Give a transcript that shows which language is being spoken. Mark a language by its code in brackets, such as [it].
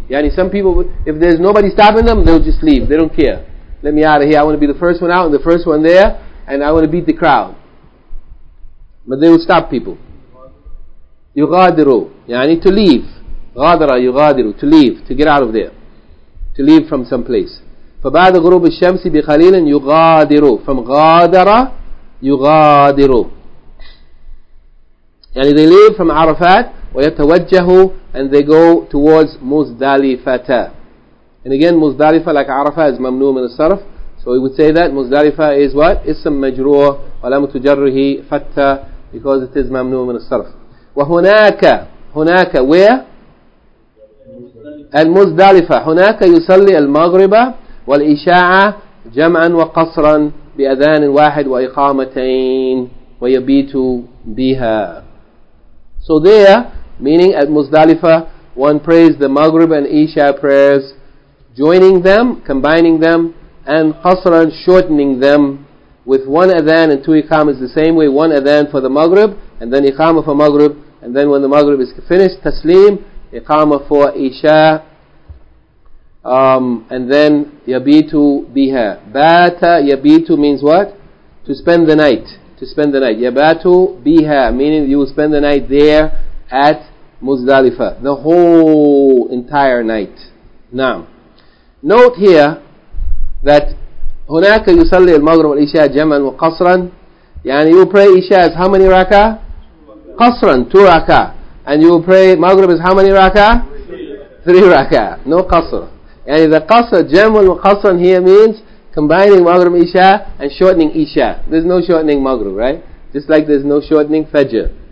[en] Yani some people, if there's nobody stopping them, they'll just leave. They don't care. Let me out of here. I want to be the first one out and the first one there, and I want to beat the crowd. But they will stop people. يغادروا, يعني to leave. غادروا, يغادروا, to leave, to get out of there, to leave from some place. [ar] فبعد غروب الشمس بقليل يغادروا, from غادرة يغادروا. [en] يعني they leave from Arafat ويتوجهوا, and they go towards مزدالفتا. And again, مزدالفة like Arafat is [ar] ممنوع من الصرف. [en] So we would say that مزدالفة is what? [ar] اسم مجرور ولم تجره فتا, [en] because it is [ar] ممنوع من الصرف. وهناك, هناك where? المزدالفة. هناك يصلي المغرب والإشاعة جمعا وقصرا بأذان واحد وإقامتين ويبيت بها. [en] So there, meaning at Muzdalifah, one prays the Maghrib and Isha prayers, joining them, combining them, and Qasran, shortening them, with one adhan and two iqamas the same way, one adhan for the Maghrib, and then iqama for Maghrib, and then when the Maghrib is finished, taslim, iqama for Isha, and then yabitu biha. Bata yabitu means what? To spend the night. To spend the night. Yabatu biha, meaning you will spend the night there at Muzdalifa, the whole entire night. [ar] Naam. [en] Note here that [ar] هناك يصلي المغرب والإشاء جمعا وقصرا. [en] يعني you pray Isha is how many raka? قصرا, two raka. And you pray Maghrib is how many raka? Three raka. No قصر. يعني the قصر, [ar] جمع وقصرا [en] here means combining Maghrib and Isha and shortening Isha. There's no shortening Maghrib, right? Just like there's no shortening Fajr.